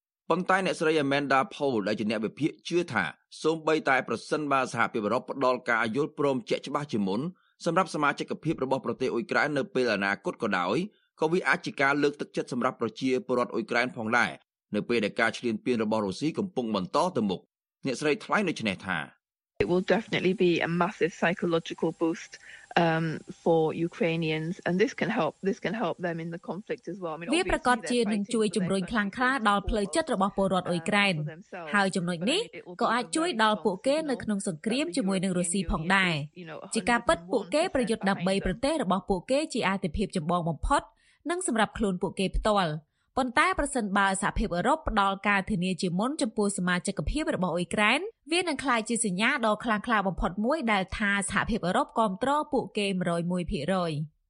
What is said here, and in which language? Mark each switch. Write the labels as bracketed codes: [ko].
[km] ប៉ុន្តែអ្នកស្រី Amanda Pole ដែលជាអ្នកវិភាគជឿថាសូម្បីតែប្រសិនបើសហភាពអឺរ៉ុបផ្ដល់ការយល់ព្រមជាក់ច្បាស់ជាមុនសម្រាប់សមាជិកភាពរបស់ប្រទេសអ៊ុយក្រែននៅពេលអនាគតក៏ដោយក៏វាអាចជាការលើកទឹកចិត្តសម្រាប់ប្រជាពលរដ្ឋអ៊ុយក្រែនផងដែរ នៅពេលដែលការឈ្លានពានរបស់រុស្ស៊ីកំពុងបន្តទៅមុខអ្នកស្រីថ្លែងដូចនេះថា [en] It will definitely be a massive psychological boost for Ukrainians and this can help them in the conflict as well. [km] វាប្រកាសជានឹងជួយជំរុញខ្លាំងក្លាដល់ផ្លូវចិត្តរបស់ពលរដ្ឋអ៊ុយក្រែនហើយចំណុចនេះក៏អាចជួយដល់ពួកគេនៅក្នុងសង្គ្រាមជាមួយនឹងរុស្ស៊ីផងដែរជាការពិតពួកគេប្រយុទ្ធដើម្បីប្រទេសរបស់ពួកគេជាអាទិភាពចម្បងបំផុតនិងសម្រាប់ខ្លួនពួកគេផ្ទាល់ប៉ុន្តែប្រសិនបើសហភាពអឺរ៉ុបផ្ដល់ការធានាជាមុនចំពោះសមាជិកភាពរបស់អ៊ុយក្រែនវានឹងក្លាយជាសញ្ញាដ៏ខ្លាំងក្លាបំផុតមួយដែលថាសហភាពអឺរ៉ុបគាំទ្រពួកគេ 101%